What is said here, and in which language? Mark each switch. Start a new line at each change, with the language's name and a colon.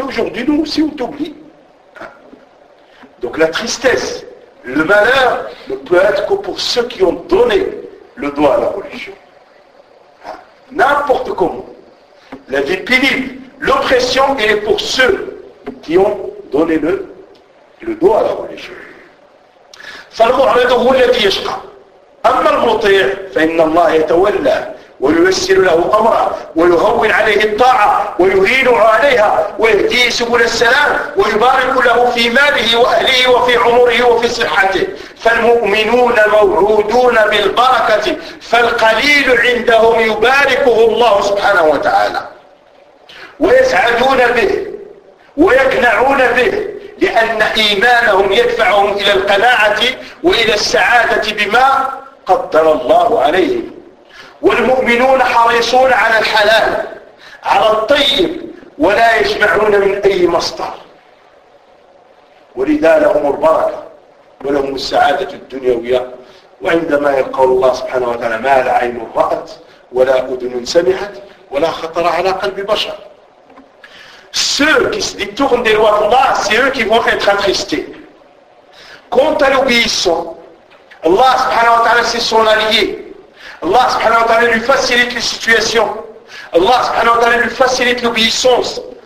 French: Aujourd'hui, nous aussi, on t'oublie. Donc la tristesse, le malheur, ne peut être que pour ceux qui ont donné le dos à la religion. N'importe comment. La vie pénible, l'oppression, elle est pour ceux qui ont donné le dos à la religion.
Arabic: فالمعرضه الذي يشقى اما المطيع فان الله يتولى وييسر له امره ويهون عليه الطاعه ويهين عليها ويهديه سبل السلام ويبارك له في ماله واهله وفي عمره وفي صحته فالمؤمنون موعودون بالبركه فالقليل عندهم يباركه الله سبحانه وتعالى ويسعدون به ويقنعون به لأن إيمانهم يدفعهم إلى القناعة وإلى السعادة بما قدر الله عليهم والمؤمنون حريصون على الحلال على الطيب ولا يشبعون من أي مصدر ولذا لهم البركة ولهم السعادة الدنيوية وعندما يقول الله سبحانه وتعالى ما لا عين رأت ولا أذن سمعت ولا خطر على قلب بشر.
French: Ceux qui se détournent des lois d'Allah, c'est eux qui vont être attristés. Quant à l'obéissant, Allah subhanahu wa ta'ala c'est son allié. Allah subhanahu wa ta'ala lui facilite les situations. Allah subhanahu wa ta'ala lui facilite l'obéissance.